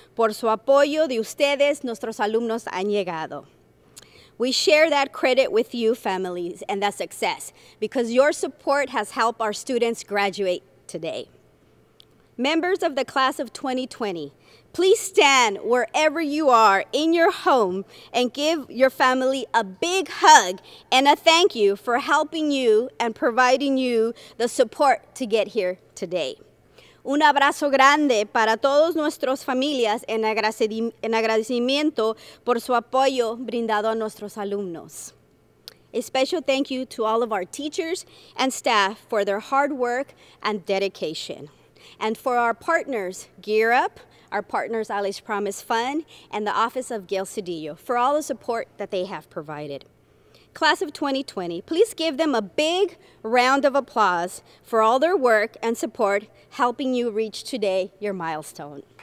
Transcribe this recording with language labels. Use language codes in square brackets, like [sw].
[es] Por su apoyo de ustedes, nuestros alumnos han llegado. [en] We share that credit with you, families, and that success, because your support has helped our students graduate today. Members of the class of 2020, please stand wherever you are in your home and give your family a big hug and a thank you for helping you and providing you the support to get here today. [es] Un abrazo grande para todos nuestros familias en agradecimiento por su apoyo brindado a nuestros alumnos. [en] A special thank you to all of our teachers and staff for their hard work and dedication. And for our partners, Gear Up, our partners Alice Promise Fund, and the Office of Gail Cedillo, for all the support that they have provided. Class of 2020, please give them a big round of applause for all their work and support helping you reach today your milestone.